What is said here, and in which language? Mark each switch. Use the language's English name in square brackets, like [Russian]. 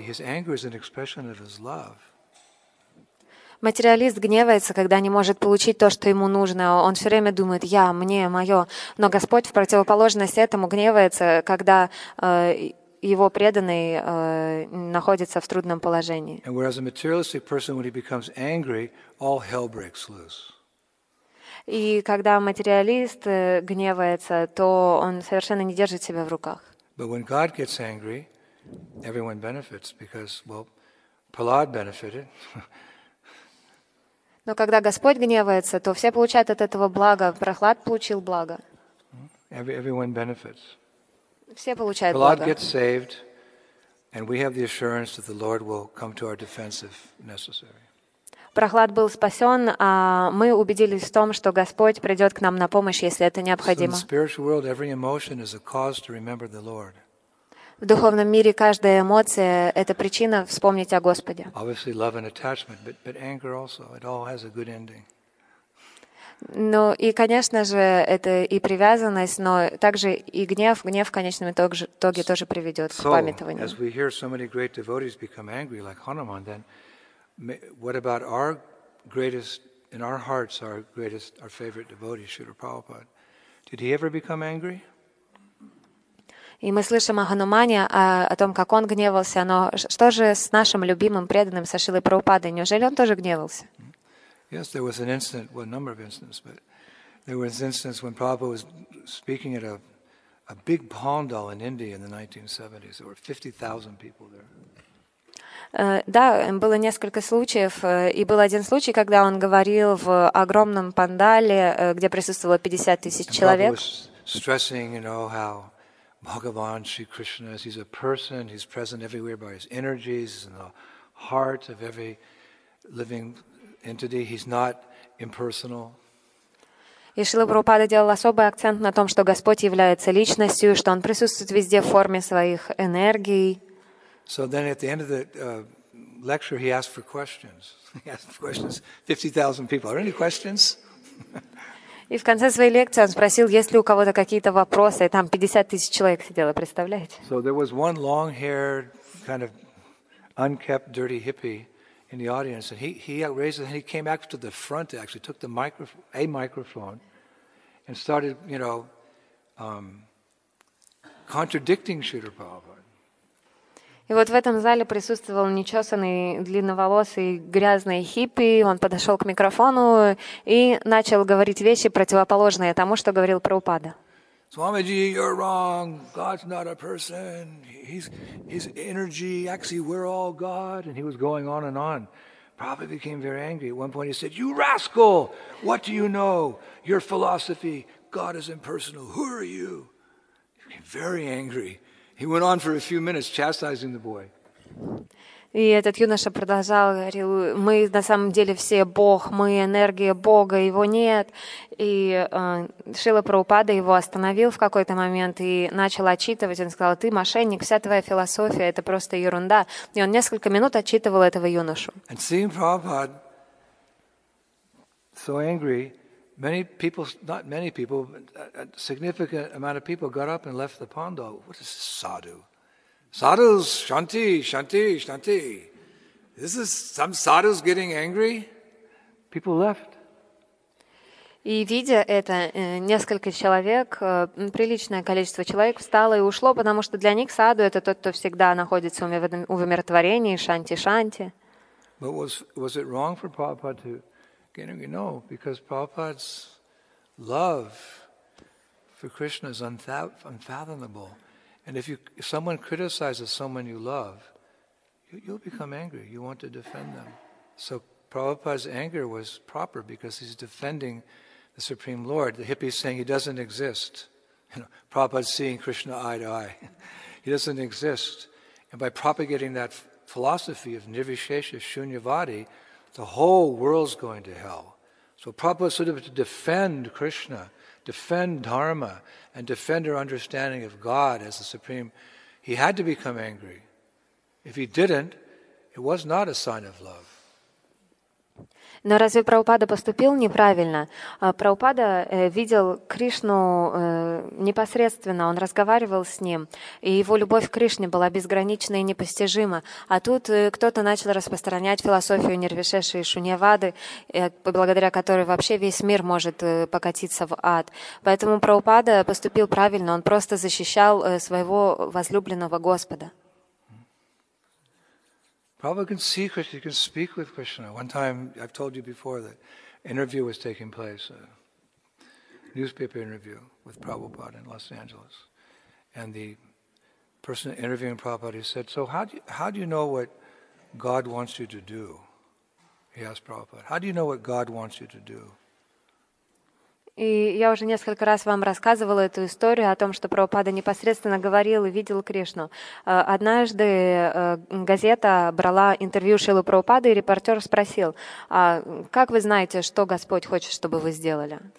[English] His anger is an expression of his love. [Russian] Материалист гневается, когда не может получить то, что ему нужно. Он все время думает: я, мне, мое. Но Господь в противоположность этому гневается, когда его преданный находится в трудном положении. [English] And whereas a materialistic person, when he becomes angry, all hell breaks loose. [Russian] И когда материалист гневается, то он совершенно не держит себя в руках. [English] But when God gets angry, everyone benefits because, well, Prahlad benefited. [Russian] Но когда Господь гневается, то все получают от этого благо. Прохлад получил благо. [English] Everyone benefits. [Russian] Все получают благо. Prahlad [English] gets saved, and we have the assurance that the Lord will come to our defense if necessary. [Russian] Прохлад был спасен, а мы убедились в том, что Господь придет к нам на помощь, если это необходимо. [English] So in the spiritual world, every emotion is a cause to remember the Lord. [Russian] В духовном мире каждая эмоция — это причина вспомнить о Господе. [English] Obviously, love and attachment, but anger also. It all has a good ending. [Russian] Ну и, конечно же, это и привязанность, но также и гнев. Гнев в конечном итоге тоже приведет к памятованию. [English] As we hear so many great devotees become angry, like Hanuman, then what about our greatest, in our hearts, our greatest, our favorite devotee, Srila Prabhupada? Did he ever become angry? [Russian] И мы слышим о Ханумане, о том, как он гневался, но что же с нашим любимым преданным, со Шрилой Прабхупадой? Неужели он тоже гневался? [English] Yes, there was an incident, well, a number of incidents, but there was an instance when Prabhupada was speaking at a big pandal in India in the 1970s. There were 50,000 people there. [Russian] Да, было несколько случаев, и был один случай, когда он говорил в огромном пандале, где присутствовало 50,000 человек. [English] Prabhupada was stressing, you know, how Bhagavan Sri Krishna is, he's a person, he's present everywhere by his energies, he's in the heart of every living entity, he's not impersonal. [Russian] И Шрила Прабхупада делал особый акцент на том, что Господь является личностью, что Он присутствует везде в форме своих энергий. [English] So then at the end of the lecture, he asked for questions. He asked for questions. 50,000 people. Are there any questions? [Russian] И в конце своей лекции он спросил, есть ли у кого-то какие-то вопросы. Там 50 тысяч человек сидело, представляете? [English] So there was one long-haired, kind of unkept, dirty hippie in the audience, and he raised his hand. He came back to the front, actually took the microphone, and started, you know, contradicting Śrīla Prabhupāda. [Russian] И вот в этом зале присутствовал нечесанный, длинноволосый, грязный хиппи. Он подошел к микрофону и начал говорить вещи, противоположные тому, что говорил Прабхупада. [English] Swamiji, you're wrong. God's not a person. He's energy. Actually, we're all God. And he was going on and on. Prabhupada became very angry. At one point he said, you rascal! What do you know? Your philosophy. God is impersonal. Who are you? He became very angry. He went on for a few minutes chastising the boy. [Russian] И этот юноша продолжал, говорил, мы на самом деле все Бог, мы энергия Бога, его нет. И Шрила Прабхупада его остановил в какой-то момент и начал отчитывать. Он сказал, ты мошенник, вся твоя философия, это просто ерунда. И он несколько минут отчитывал этого юношу. [English] And seeing Prabhupada so angry, many people, not many people, a significant amount of people got up and left the pondo. What is this sadhu? Sadhus, shanti, shanti, shanti. This is some sadhus getting angry. People left. [Russian] И видя это, несколько человек, приличное количество человек встало и ушло, потому что для них саду это тот, кто всегда находится у умиротворении, шанти, шанти. [English] But was it wrong for Prabhupada to get angry? No, because Prabhupada's love for Krishna is unfathomable. And if someone criticizes someone you love, you'll become angry. You want to defend them. So Prabhupada's anger was proper because he's defending the Supreme Lord. The hippie's saying he doesn't exist. You know, Prabhupada's seeing Krishna eye to eye. He doesn't exist. And by propagating that philosophy of nirvishesha shunyavadi, the whole world's going to hell. So Prabhupada sort of to defend Krishna, defend Dharma, and defend our understanding of God as the Supreme, he had to become angry. If he didn't, it was not a sign of love. [Russian] Но разве Прабхупада поступил неправильно? Прабхупада видел Кришну непосредственно, он разговаривал с ним, и его любовь к Кришне была безгранична и непостижима. А тут кто-то начал распространять философию нирвишеши и шуньявады, благодаря которой вообще весь мир может покатиться в ад. Поэтому Прабхупада поступил правильно, он просто защищал своего возлюбленного Господа. [English] Prabhupada can see Krishna, he can speak with Krishna. One time, I've told you before, that interview was taking place, a newspaper interview with Prabhupada in Los Angeles. And the person interviewing Prabhupada said, so how do you know what God wants you to do? He asked Prabhupada, how do you know what God wants you to do? [Russian] И я уже несколько раз вам рассказывала эту историю о том, что Прабхупада непосредственно говорил и видел Кришну. Однажды газета брала интервью Шрилы Прабхупады, и репортер спросил, как вы знаете, что Господь хочет, чтобы вы сделали?